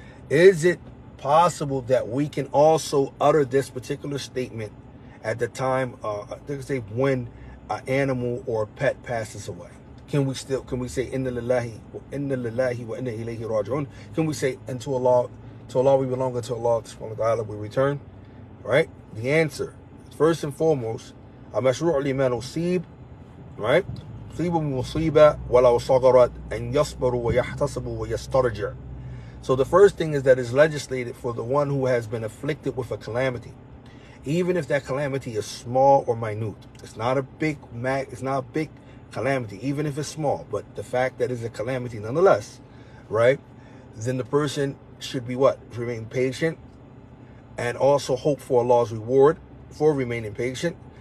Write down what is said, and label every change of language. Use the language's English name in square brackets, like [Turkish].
[English] Is it possible that we can also utter this particular statement at the time when an animal or a pet passes away? Can we say inna lillahi wa inna ilayhi raji'un? Can we say to Allah we belong, and to Allah subhanahu wa ta'ala we return? Right? The answer, first and foremost, amashru' liman usib, right? [Arabic] صيب مصيبة ولو صغرت أن يصبر ويحتسب ويسترجع. [English] So the first thing is that is legislated for the one who has been afflicted with a calamity, even if that calamity is small or minute. It's not a big calamity, even if it's small, but the fact that it's a calamity nonetheless, right? Then the person should be what? Remain patient and also hope for Allah's reward for remaining patient.